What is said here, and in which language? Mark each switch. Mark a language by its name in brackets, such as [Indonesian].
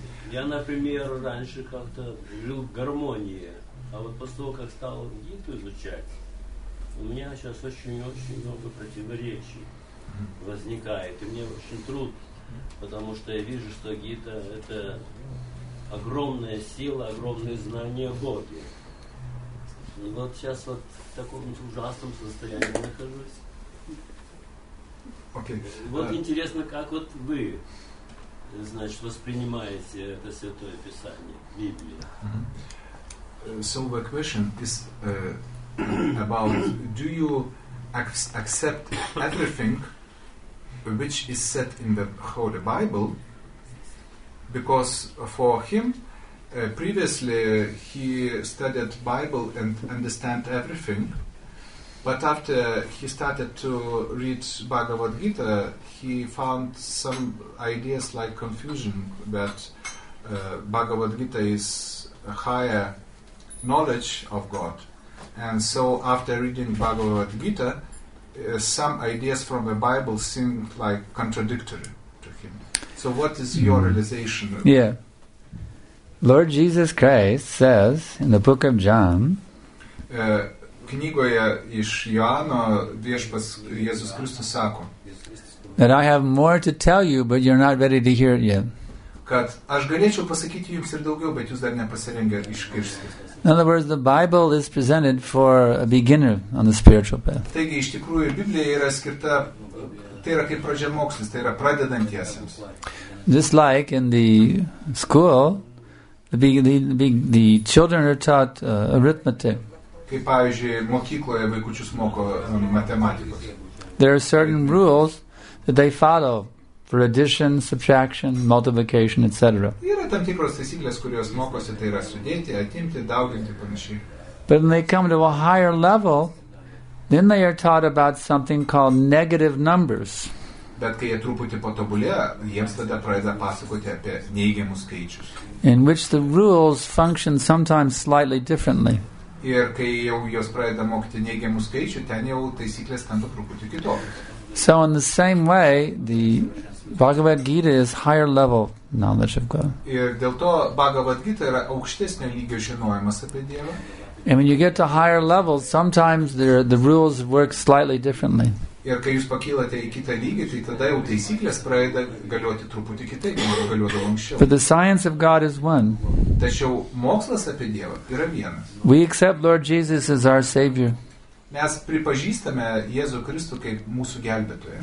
[Russian] Я, например, раньше как-то жил в гармонии, а вот после того, как стал гиту изучать, у меня сейчас очень-очень много противоречий возникает, и мне очень трудно, потому что я вижу, что гита – это огромная сила, огромные знания Боги. И вот сейчас вот в таком ужасном состоянии нахожусь. [English] Okay. [Russian] Вот интересно, как вот вы… Значит, воспринимаете это Святое Писание, Библию. [English] So the question is about, do you accept everything which is said in the Holy Bible? Because for him, previously he studied Bible and understand everything, but after he started to read Bhagavad Gita, he found some ideas like confusion that Bhagavad Gita is a higher knowledge of God. And so after reading Bhagavad Gita, some ideas from the Bible seemed like contradictory to him. So what is your realization? Yeah. Lord Jesus Christ says in the book of John, [Lithuanian] knygoje iš Joano viešpas Jėzus Kristus sako, [English] that I have more to tell you, but you're not ready to hear it yet. [Lithuanian] Kad aš galėčiau pasakyti jums ir daugiau, bet jūs dar nepasirengę išgirsti. [English] In other words, the Bible is presented for a beginner on the spiritual path. [Lithuanian] Taigi, iš tikrųjų, Biblija yra skirta, tai yra kaip pradžiamokslis, tai yra pradedantiesiems. [English] Just like in the school, the children are taught arithmetic. [Lithuanian] Kaip, pavyzdžiui, mokykloje vaikučius moko matematikos. [English] There are certain rules that they follow. For addition, subtraction, multiplication, etc. [Lithuanian] Yra tam tikros taisyklės, kurios mokosi, tai yra sudėti, atimti, dauginti, panašiai. [English] But when they come to a higher level, then they are taught about something called negative numbers. [Lithuanian] Bet kai jie truputį patobulė, jiems tada pradeda pasakoti apie neigiamus skaičius. [English] In which the rules function sometimes slightly differently. [Lithuanian] Ir kai jau jos pradeda mokyti neigiamus skaičius, ten jau taisyklės tampa truputį kitokios. [English] So in the same way, the Bhagavad Gita is higher level knowledge of God. [Lithuanian] Ir dėl to Bhagavad Gita yra aukštesnio lygio žinojimas apie Dievą. [English] And when you get to higher levels, sometimes the rules work slightly differently. [Lithuanian] Ir kai jūs pakylate į kitą lygį, tai tada jau taisyklės pradeda galioti truputį kitaip, negu galiodavo anksčiau. [English] But the science of God is one. [Lithuanian] Tačiau mokslas apie Dievą yra vienas. [English] We accept Lord Jesus as our Savior. [Lithuanian] Mes pripažįstame Jėzų Kristų kaip mūsų gelbėtoją.